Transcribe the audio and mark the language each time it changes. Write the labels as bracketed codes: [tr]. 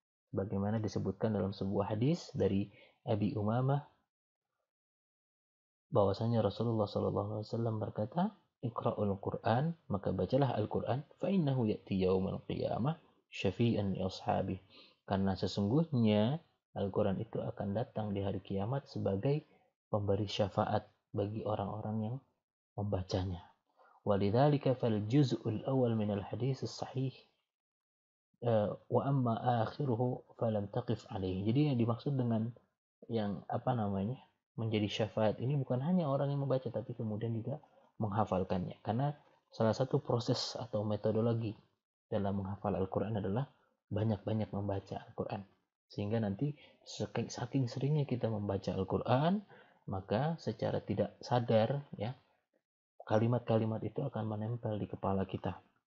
[id] Bagaimana disebutkan dalam sebuah hadis dari Abi Umamah bahwasanya Rasulullah sallallahu alaihi wasallam berkata, [ar] "Iqra'ul Quran," [id] maka bacalah Al-Quran, [ar] "fa innahu ya'ti yaumal qiyamah syafi'an li ashabi." [id] Karena sesungguhnya Al-Quran itu akan datang di hari kiamat sebagai pemberi syafaat bagi orang-orang yang membacanya. [ar] ولذلك فالجزء الأول من الحديث الصحيح، وأما آخره فلم تقف عليه. [id] Jadi yang dimaksud dengan yang apa namanya menjadi syafaat ini bukan hanya orang yang membaca tapi kemudian juga menghafalkannya. Karena salah satu proses atau metodologi dalam menghafal Al-Quran adalah banyak-banyak membaca Al-Quran. Sehingga nanti saking seringnya kita membaca Al-Quran, maka secara tidak sadar ya kalimat-kalimat itu akan menempel di kepala kita.